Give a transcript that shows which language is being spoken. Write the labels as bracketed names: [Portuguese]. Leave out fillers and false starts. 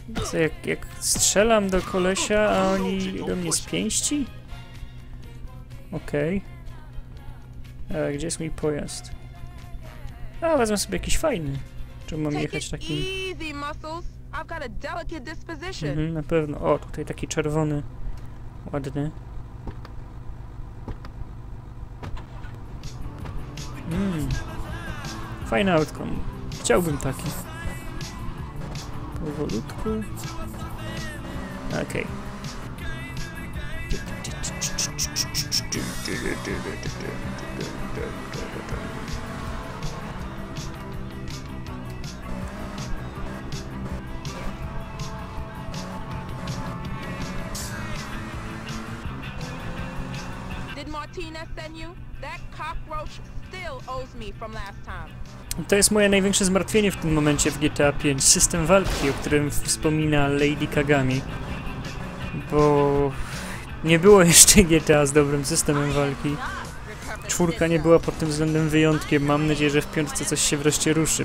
[Polish] Co, jak strzelam do kolesia, a oni do mnie z pięści? Okej. Okay. Gdzie jest mój pojazd? A, wezmę sobie jakiś fajny. Czy mam jechać takim? [English] Easy, muscles. I've got a delicate disposition. [Polish] Mhm, na pewno. O, tutaj taki czerwony. Ładny. Fajny autko. Chciałbym taki. Powolutku. Okej. Okay. [English] Did Martinez send you? That cockroach still owes me from last time. [Polish] To jest moje największe zmartwienie w tym momencie w GTA 5. System walki, o którym wspomina Lady Kagami. Bo nie było jeszcze GTA z dobrym systemem walki. Czwórka nie była pod tym względem wyjątkiem. Mam nadzieję, że w piątce coś się wreszcie ruszy.